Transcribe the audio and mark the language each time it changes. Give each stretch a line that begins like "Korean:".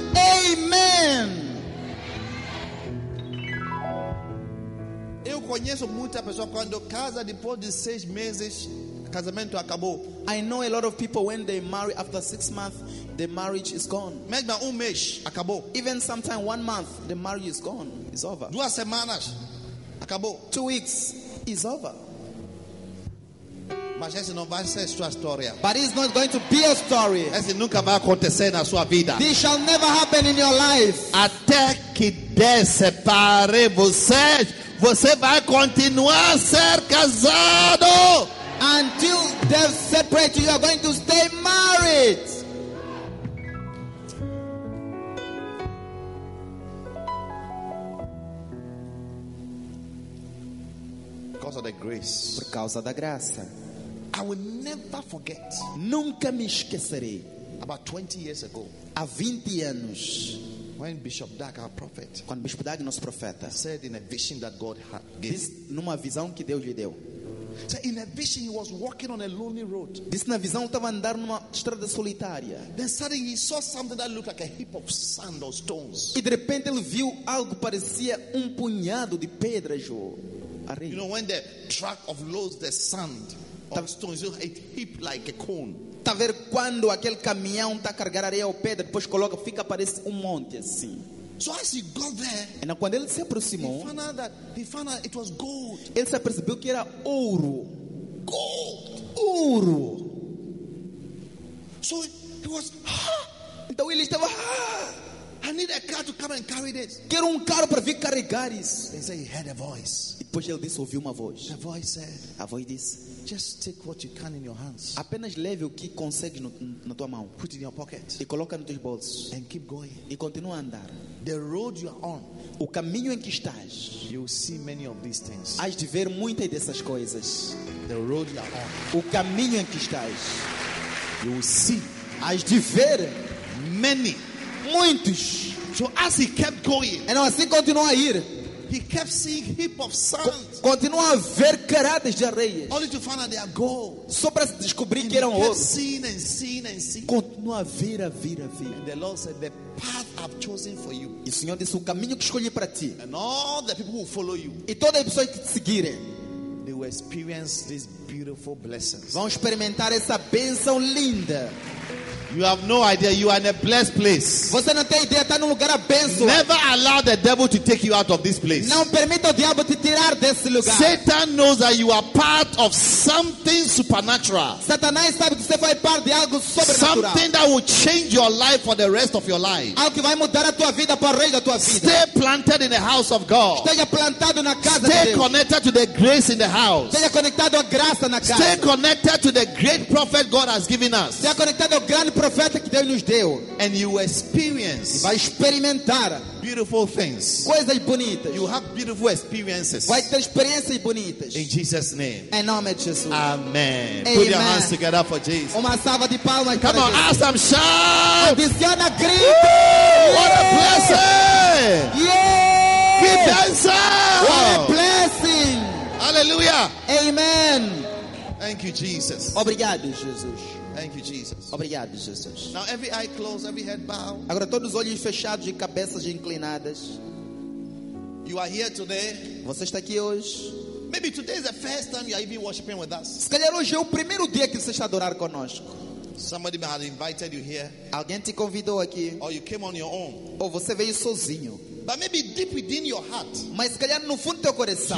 English: Amen.
Portuguese: Eu conheço muita pessoa quando casa depois de 6 meses casamento acabou.
English: I know a lot of people when they marry after 6 months the marriage is gone.
Portuguese: Mesmo um mês acabou.
English: Even sometimes 1 month the marriage is gone, it's over.
Portuguese: 2 semanas acabou.
English: 2 weeks is over.
Portuguese: Mas essa não vai ser sua história.
English: But it's not going to be a story.
Portuguese: Essa nunca vai acontecer na sua vida.
English: This shall never happen in your life.
Portuguese: Até que Deus separe você, você vai continuar a ser casado.
English: Until death separates you, you are going to stay married. Because of the grace.
Portuguese: Por causa da graça.
English: I will never forget.
Portuguese: Nunca me esquecerei.
English: About 20 years ago.
Portuguese: Há 20 anos.
English: When Bishop Dag, our prophet,
Portuguese: quando Bishop Dag, nosso profeta,
English: said in a vision that God had given,
Portuguese: numa visão que Deus lhe deu.
English: So in a vision he was walking on a lonely road.
Portuguese: Diz na visão estava andando numa estrada solitária.
English: Then suddenly he saw something that looked like a heap of sand or stones.
Portuguese: E de repente ele viu algo que parecia punhado de pedras ou areia.
English: You know when the track of loads the sand of stones, you know, it heap like a cone.
Portuguese: Tá ver quando aquele caminhão tá carregar areia ou pedra, depois coloca, fica parece monte assim.
English: So as he got there,
Portuguese: and quando ele se aproximou,
English: he found out it was gold.
Portuguese: Ele se percebeu que era ouro.
English: Gold.
Portuguese: escuro.
English: So he was,
Portuguese: então ele estava,
English: I need a car to come and carry this.
Portuguese: Quero carro para vir carregar isso.
English: They say he heard a voice.
Portuguese: Depois ele disse, ouviu uma voz.
English: The voice said,
Portuguese: a voz disse,
English: just take what you can in your hands.
Portuguese: Apenas leve o que consegue na tua mão.
English: Put it in your pocket.
Portuguese: E coloca nos teus bolsos.
English: And keep going.
Portuguese: E continua a andar.
English: The road you are on.
Portuguese: O caminho em que estás.
English: You will see many of these things.
Portuguese: Hás de ver muitas dessas coisas.
English: The road you are on.
Portuguese: O caminho em que estás.
English: You will see.
Portuguese: Hás de ver
English: many.
Portuguese: Muitos.
English: So as he kept going,
Portuguese: então assim continuou a ir.
English: He kept seeing heap of sand.
Portuguese: Continuou a ver caradas de areia.
English: Only to find out they are gold.
Portuguese: Só para descobrir
English: and
Portuguese: que eram ouro.
English: Seen.
Portuguese: Continuou a ver, a ver, a ver.
English: And the Lord said, the path I've chosen for you.
Portuguese: E o Senhor disse, o caminho que escolhi para ti.
English: And all the people who follow you.
Portuguese: E todas as pessoas que te seguirem.
English: They will experience these beautiful blessings.
Portuguese: Vão experimentar essa bênção linda.
English: You have no idea, you are in a blessed place.
Portuguese: Você não tem ideia, está num lugar abençoado.
English: Never allow the devil to take you out of this place.
Portuguese: Não permita o diabo te tirar desse lugar.
English: Satan knows that you are part of something supernatural.
Portuguese: Satanás sabe que você faz parte de algo sobrenatural.
English: Something that will change your life for the rest of your life.
Portuguese: Algo que vai mudar a tua vida para o resto da tua vida.
English: Stay planted in the house of God.
Portuguese: Esteja plantado na casa
English: Stay
Portuguese: de Deus.
English: Connected to the grace in the house.
Portuguese: Esteja conectado à graça na casa.
English: Stay connected to the great prophet God has given us.
Portuguese: Esteja conectado ao grande profeta que Deus nos deu.
English: And you experience,
Portuguese: vai experimentar
English: beautiful things,
Portuguese: coisas bonitas.
English: You have beautiful experiences,
Portuguese: vai ter experiências bonitas.
English: In Jesus' name,
Portuguese: em nome de Jesus.
English: Amen. Amen. Put your hands together for Jesus.
Portuguese: Uma salva de palmas.
English: Come
Portuguese: para
English: on,
Portuguese: Jesus.
English: Ask them, shout.
Portuguese: Adiciona, grita.
English: What a blessing! Yeah! Keep dancing. What a blessing! Hallelujah! Amen. Thank you, Jesus.
Portuguese: Obrigado, Jesus.
English: Thank you, Jesus.
Portuguese: Obrigado, Jesus.
English: Now every eye closed, every head bowed.
Portuguese: Agora todos os olhos fechados e cabeças inclinadas.
English: You are here today.
Portuguese: Você está aqui hoje.
English: Maybe today is the first time you are even worshiping with us.
Portuguese: Se calhar hoje é o primeiro dia que você está adorar conosco.
English: Somebody may have invited you here.
Portuguese: Alguém te convidou aqui.
English: Or you came on your own.
Portuguese: Ou você veio sozinho.
English: But maybe deep within your heart,
Portuguese: mas se calhar no fundo do teu coração,